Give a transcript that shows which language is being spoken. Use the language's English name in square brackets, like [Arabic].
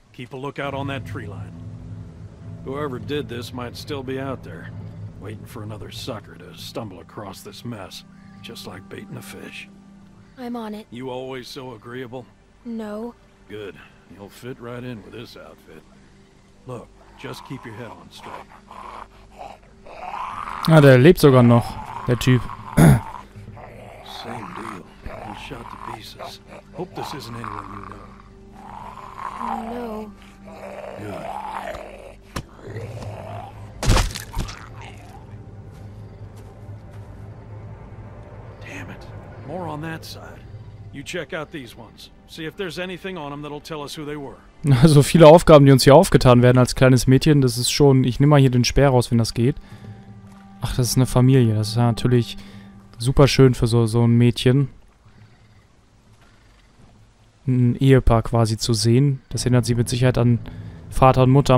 [English] Keep a lookout on that tree line. Whoever did this might still be out there, waiting for another sucker to stumble across this mess, just like baiting a fish. I'm on it. You always so agreeable? No. Good. You'll fit right in with this outfit. Look, just keep your head on straight. [German] Ah, der lebt sogar noch, der Typ. [English] Same deal. He shot to pieces. Hope this isn't anyone you know. No. Good. Damn it. More on that side. You check out these ones. See if there's anything on them that'll tell us who they were. [German] So viele Aufgaben, die uns hier aufgetan werden als kleines Mädchen, das ist schon... Ich nehme mal hier den Speer raus, wenn das geht. Ach, das ist eine Familie. Das ist ja natürlich super schön für so ein Mädchen. Ein Ehepaar quasi zu sehen. Das erinnert sie mit Sicherheit an Vater und Mutter.